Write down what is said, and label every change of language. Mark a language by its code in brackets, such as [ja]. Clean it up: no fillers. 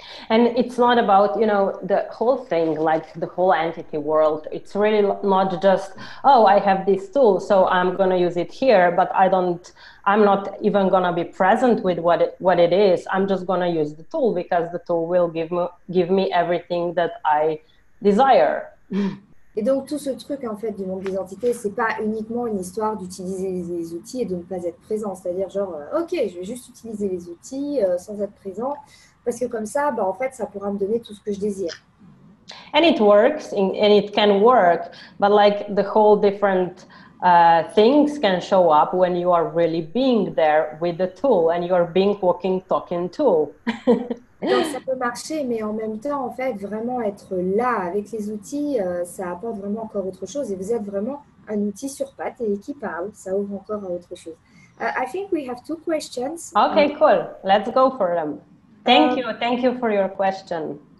[en] And it's not about, you know, the whole thing, like the whole entity world. It's really not just, oh, I have this tool, so I'm going to use it here, but I'm not even going to be present with what it is. I'm just going to use the tool because the tool will give me everything that I desire. [fr] Et donc, tout ce truc, en fait, du monde des entités, c'est pas uniquement une histoire d'utiliser les outils et de ne pas être présent. C'est-à-dire, genre, ok, je vais juste utiliser les outils sans être présent. Parce que comme ça, bah en fait, ça pourra me donner tout ce que je désire. [en] And it works, and it can work, but like the whole different things can show up when you are really being there with the tool and you are being walking, talking tool. [fr] Donc, ça peut marcher, mais en même temps, en fait, vraiment être là avec les outils, ça apporte vraiment encore autre chose. Et vous êtes vraiment un outil sur pattes et qui parle, ça ouvre encore à autre chose. [en] I think we have two questions. Okay, cool. Let's go for them. Thank you. Thank you for your question.